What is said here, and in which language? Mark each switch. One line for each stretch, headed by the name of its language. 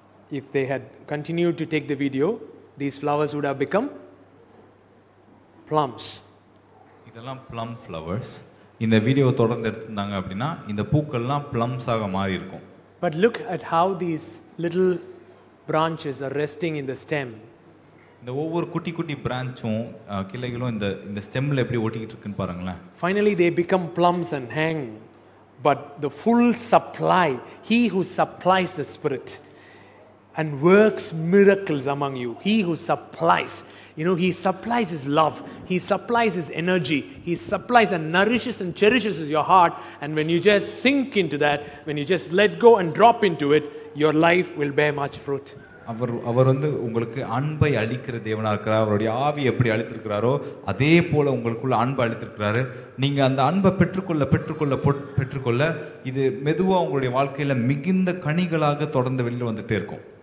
English: If they had continued to take the video, these flowers would have become plums.
Tamil: இதெல்லாம்
English: Plum flowers.
Tamil: இந்த வீடியோவை தொடர்ந்து எடுத்திருந்தாங்க அப்படின்னா இந்த பூக்கள்லாம் ப்ளம்ஸாக மாறி இருக்கும்.
English: But look at how these little branches are resting in the stem.
Tamil: இந்த ஒவ்வொரு குட்டி குட்டி பிரான்ச்சும் கிளைகளும் இந்த இந்த ஸ்டெம்ல எப்படி ஓட்டிக்கிட்டு இருக்குன்னு பாருங்களேன்.
English: Finally they become blooms and hang. But the full supply, he who supplies the spirit and works miracles among you, he who supplies, you know, he supplies his love, he supplies his energy, he supplies and nourishes and cherishes your heart. And when you just sink into that, when you just let go and drop into it, your life will bear much fruit.
Tamil: அவர் வந்து உங்களுக்கு அன்பை அளிக்கிற தேவனா இருக்கிறார். அவருடைய ஆவி எப்படி அளித்திருக்கிறாரோ அதே போல உங்களுக்குள்ள அன்பு அளித்திருக்கிறாரு. நீங்க அந்த அன்பை பெற்றுக்கொள்ள இது மெதுவா உங்களுடைய வாழ்க்கையில மிகுந்த கனிகளாக தொடர்ந்து வெளியில வந்துட்டே இருக்கும்.